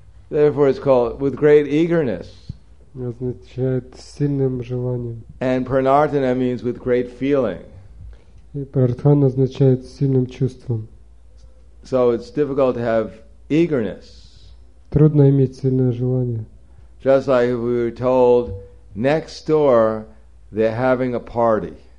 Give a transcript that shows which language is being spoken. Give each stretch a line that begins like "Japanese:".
English: Therefore, it's called with great eagerness.
Russian: Означает сильным желанием.
English: And pranartana means with great feeling.
Russian: И пранартхана означает сильным чувством.
English: So it's difficult to have eagerness.
Russian: Трудно иметь сильное желание.
English: Just like we were told, next door They're having a party.